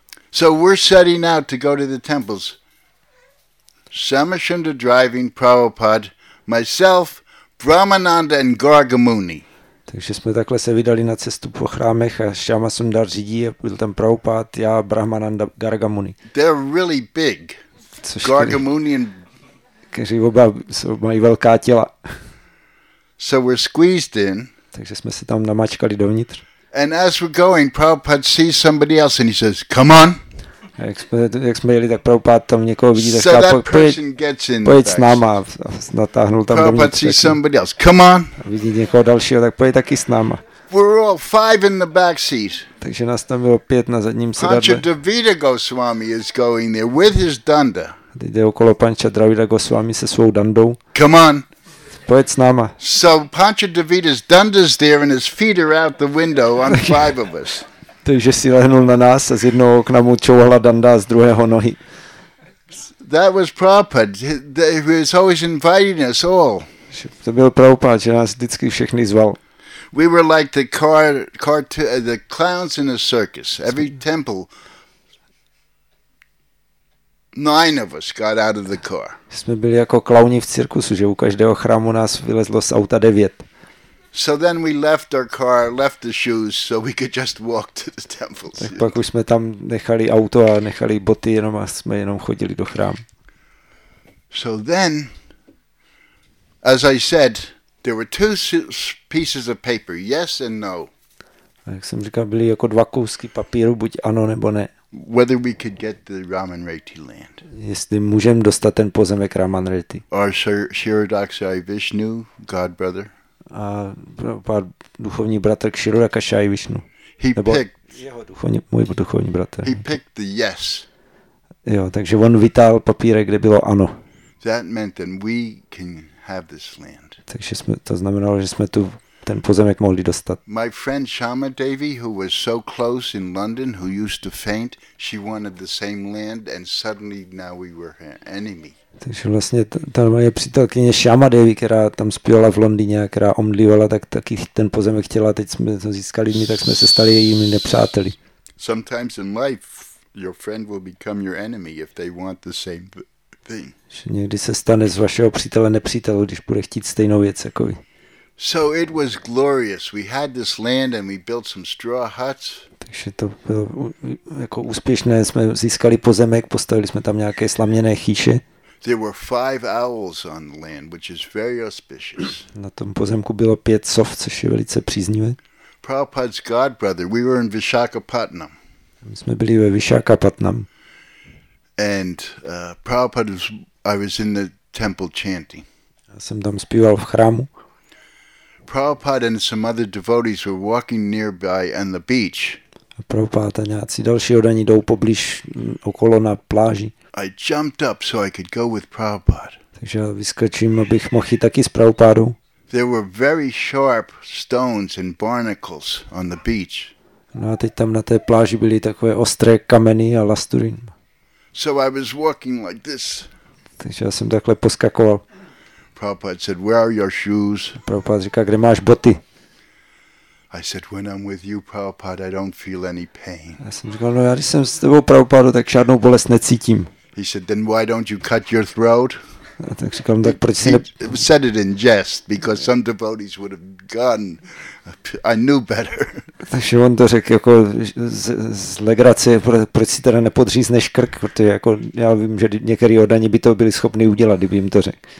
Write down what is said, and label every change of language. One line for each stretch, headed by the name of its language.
English: So we're setting out to go to the temples. Samashinda driving, Prabhupada, myself, Brahmananda and Gargamuni.
Czech: Takže jsme takhle se vydali na cestu po chrámech a Shama Sundar řídí a byl tam Prabhupada, já, Brahmananda, Gargamuni.
English: They're really big. Gargamuni and
Czech: kteří oba mají velká těla.
English: So we're squeezed in.
Czech: Takže jsme se tam namačkali dovnitř.
English: And as we're going, Prabhupada sees somebody else and he says, "Come on."
Czech: Jak jsme jeli, tak Prabhupada tam někoho vidí, tak říká, pojď s náma. Natáhnul tam dovnitř.
English: Prabhupada sees somebody else. "Come on."
Czech: Vidí někoho dalšího, tak pojď taky s náma.
English: We're all five in the back seat.
Czech: Takže nás tam bylo pět na zadním sedadle.
English: Pancha Dravida Goswami is going there with his danda.
Czech: Jde okolo Pancha Dravida Goswami se svou dandou.
English: Come on.
Czech: Pojď s náma.
English: So Pancha Dravida's danda's there and his feet are out the window on five of us.
Czech: Takže si lehnul na nás a z jednoho okna mu čouhla Danda a z druhého nohy.
English: That was Prabhupada. He was always inviting us all.
Czech: To byl Prabhupada, že nás vždycky všechny zval.
English: We were like the the clowns in a circus. Every temple, 9 of us got out of the car.
Czech: Jsme byli jako klauni v cirkusu, že u každého chrámu nás vylezlo z auta 9.
English: So then we left our car, left the shoes, so we could just walk to the temple.
Czech: Tak pak už jsme tam nechali auto a nechali boty jenom a jsme jenom chodili do chrámu.
English: So then, as I said, there were two pieces of paper, yes and no.
Czech: A jak jsem říkal, byly jako dva kousky papíru, buď ano nebo ne.
English: Whether we could get the Ramanreti land.
Czech: Jestli můžeme dostat ten pozemek Ramanreti.
English: Or Shirodakshari Vishnu, God brother.
Czech: A pár duchovní bratr Kshirodak a Shai Vishnu. Nebo můj duchovní bratr.
English: He picked the yes.
Czech: Jo, takže on vytáhl papírek, kde bylo ano.
English: That meant that we can have this land.
Czech: Takže jsme, to znamenalo, že jsme tu ten pozemek mohli dostat.
English: My friend Shama Devi, who was so close in London, who used to faint, she wanted the same land and suddenly now we were her enemy.
Czech: Takže vlastně ta moje přítelkyně Shama Devi, která tam spívala v Londýně, která omdlívala, tak taky ten pozemek chtěla, teď jsme to získali my, tak jsme se stali jejími nepřáteli.
English: Sometimes in life your friend will become your enemy if they want the same thing.
Czech: Že někdy se stane z vašeho přítele nepřítel, když bude chtít stejnou věc jako vy.
English: So it was glorious. We had this land and we built some straw huts.
Czech: Takže to bylo jako úspěšné, jsme získali pozemek, postavili jsme tam nějaké slaměné chýše.
English: There were 5 owls on the land, which is very auspicious.
Czech: Na tom pozemku bylo 5 sov, což je velice příznivé.
English: Prabhupada's god brother, we were in Vishakhapatnam.
Czech: My jsme byli ve Vishakhapatnam.
English: And Prabhupada was, I was in the temple chanting.
Czech: Já jsem tam zpíval v chrámu.
English: Prabhupada and some other devotees were walking nearby on the beach.
Czech: A Prabhupada a nějací další oddaní jdou poblíž okolo na pláži.
English: I jumped up so I could go with Prabhupada.
Czech: Takže vyskočím, abych mohl jít taky s Prabhupádou.
English: There were very sharp stones and barnacles on the beach.
Czech: No a teď tam na té pláži byly takové ostré kameny a lasturin.
English: So I was walking like this.
Czech: Takže já jsem takhle poskakoval.
English: Prabhupada said, "Where are your shoes?"
Czech: Prabhupada říká, kde máš boty?
English: I said, "When I'm with you, Prabhupada, I don't feel any pain."
Czech: Já jsem říkal, no, já když jsem s tebou, Prabhupada, tak žádnou bolest necítím.
English: He said, "Then why don't you cut your throat?"
Czech: A tak říkám, tak proč si ne...
English: said it in jest, because some devotees would have gone. I knew better.
Czech: Takže on to řekl jako z legrace, proč si teda nepodřízneš krk, protože jako já vím, že některý oddaní by to byli schopni udělat, kdyby jim to řekl.